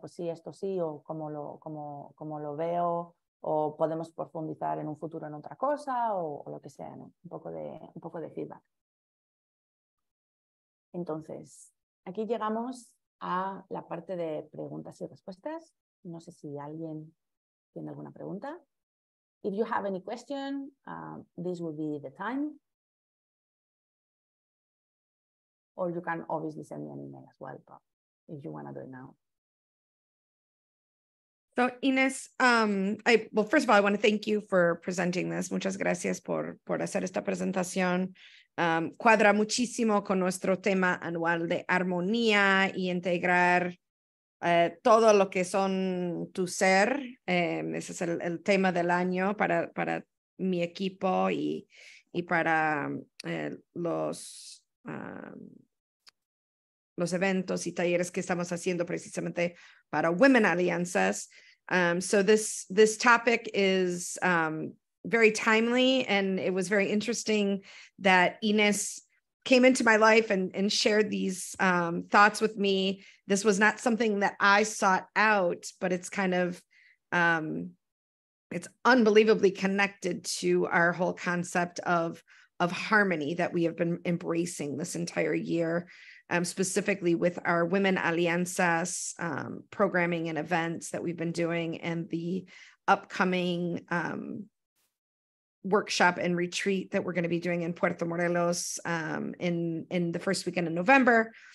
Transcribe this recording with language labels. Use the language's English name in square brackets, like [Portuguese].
[Spanish] Pues sí, esto sí, o cómo lo veo, o podemos profundizar en un futuro en otra cosa, o lo que sea, ¿no? un poco de feedback. Entonces, aquí llegamos a la parte de preguntas y respuestas. No sé si alguien tiene alguna pregunta. [English] If you have any question, this will be the time. Or you can obviously send me an email as well, but if you want to do it now. So Ines, first of all, I want to thank you for presenting this. [Spanish] Muchas gracias por hacer esta presentación. Cuadra muchísimo con nuestro tema anual de armonía y integrar todo lo que son tu ser. Ese es el tema del año para mi equipo y para los eventos y talleres que estamos haciendo precisamente para Women Alianzas. [English] So this topic is very timely, and it was very interesting that Ines came into my life and shared these thoughts with me. This was not something that I sought out, but it's kind of, it's unbelievably connected to our whole concept of harmony that we have been embracing this entire year, specifically with our Women Alianzas programming and events that we've been doing and the upcoming workshop and retreat that we're going to be doing in Puerto Morelos in the first weekend of November.